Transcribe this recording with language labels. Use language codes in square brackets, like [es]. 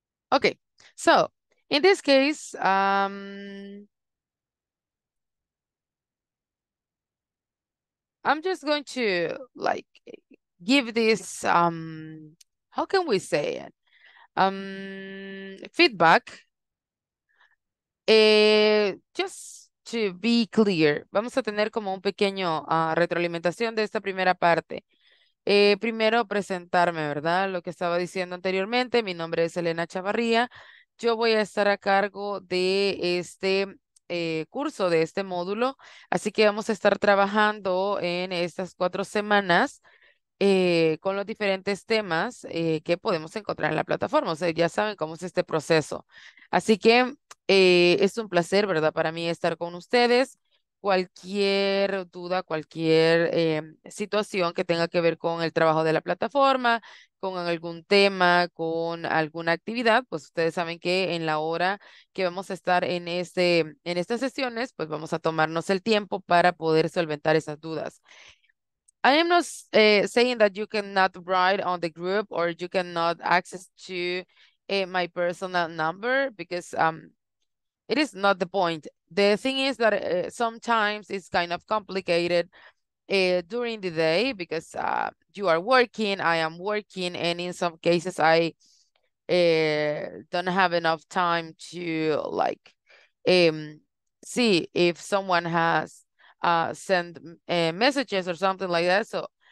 [en] Okay, so in this case, I'm just going to like give this, how can we say it? Feedback, just to be clear, [es] vamos a tener como un pequeño retroalimentación de esta primera parte. Primero presentarme, ¿verdad? Lo que estaba diciendo anteriormente, mi nombre es Elena Chavarría. Yo voy a estar a cargo de este curso, de este módulo. Así que vamos a estar trabajando en estas 4 semanas con los diferentes temas que podemos encontrar en la plataforma. O sea, ya saben cómo es este proceso. Así que es un placer, ¿verdad? Para mí estar con ustedes. Cualquier duda, cualquier situación que tenga que ver con el trabajo de la plataforma, con algún tema, con alguna actividad, pues ustedes saben que en la hora que vamos a estar en este, en estas sesiones, pues vamos a tomarnos el tiempo para poder solventar esas dudas. [en] I am not saying that you cannot write on the group or you cannot access to my personal number because it is not the point. The thing is that sometimes it's kind of complicated during the day because you are working, I am working, and in some cases I don't have enough time to like see if someone has sent messages or something like that.